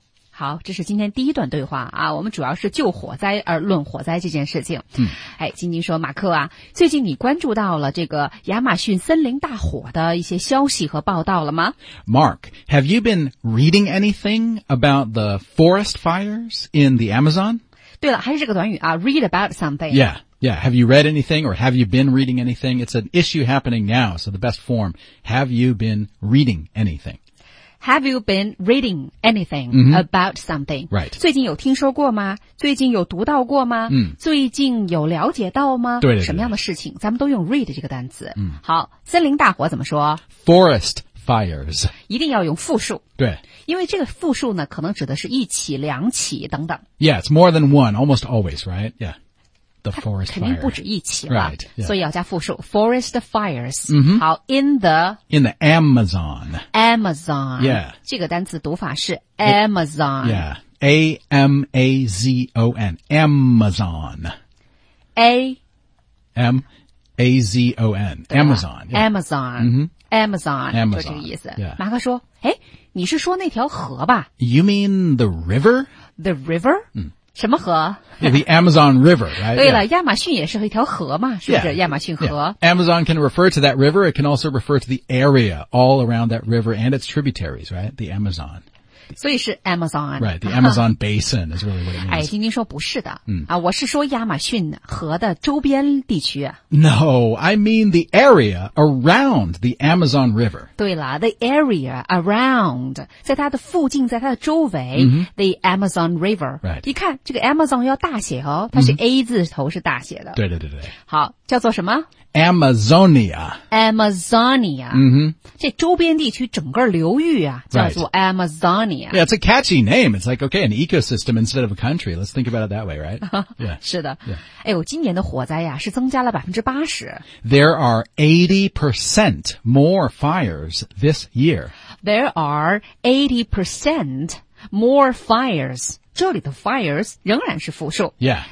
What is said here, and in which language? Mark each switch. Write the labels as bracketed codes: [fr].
[zh] 好，这是今天第一段对话啊。我们主要是就火灾而论火灾这件事情。嗯，哎，晶晶说，马克啊，最近你关注到了这个亚马逊森林大火的一些消息和报道了吗 [en] ？Mark, have you been reading anything about the forest fires in the Amazon? [zh] 对了，还是这个短语啊 ， [en] read about something. Yeah. Yeah, have you read anything or have you been reading anything? It's an issue happening now, so the best form, have you been reading anything? Have you been reading anything、 mm-hmm. about something? Right. [zh] 最近有听说过吗？最近有读到过吗？嗯。最近有了解到吗？对对对。什么样的事情？咱们都用 read 这个单词。嗯。好，森林大火怎么说 [en] ？Forest fires. [zh] 一定要用复数。对。因为这个复数呢，可能指的是一起、两起等等。 [en] Yeah, it's more than one, almost always, right? Yeah. The forest fire. [zh] 肯定不止一起了。 [en] Right, yeah. [zh] 所以要加复数。 [en] Forest fires.、 Mm-hmm. 好 in the Amazon. Amazon. Yeah. [zh] 这个单词读法是 Amazon. [en] Yeah. Amazon. Amazon. Amazon. Amazon.、 Yeah. Amazon.、 Mm-hmm. Amazon. Amazon. [zh] 就这个意思。 [en] Yeah. [zh] 马克说诶你是说那条河吧 [en] You mean the river? The river?、 Mm. [zh] 什么河 [en] yeah, The Amazon River, right? [zh] 对了、yeah. 亚马逊也是一条河嘛是不是 [en] yeah, [zh] 亚马逊河、 [en] yeah. Amazon can refer to that river. It can also refer to the area all around that river and its tributaries, right? The Amazon. [zh] 所以是 Amazon. [en] Right, the Amazon Basin is really what it means. [zh] 哎丁丁说不是的、嗯啊、我是说亚马逊河的周边地区。 [en] No, I mean the area around the Amazon River. [zh] 对了 [en] the area around, [zh] 在它的附近在它的周围、 mm-hmm. [en] the Amazon River. Right. [zh] 你看这个 Amazon 要大写哦它是 A 字头是大写的。对对对对。好叫做什么 [en] Amazonia. Amazonia.、 Mm-hmm. [zh] 这周边地区整个流域啊叫做 Amazonia.、 [en] Right. Yeah, it's a catchy name. It's like, okay, an ecosystem instead of a country. Let's think about it that way, right? Yeah. [zh] 是的。 [en] Yeah. [zh] 哎呦今年的火灾啊是增加了 80%。 [en] There are 80% more fires this year. There are 80% more fires. [zh] 这里的 fires 仍然是复数 [en] Yeah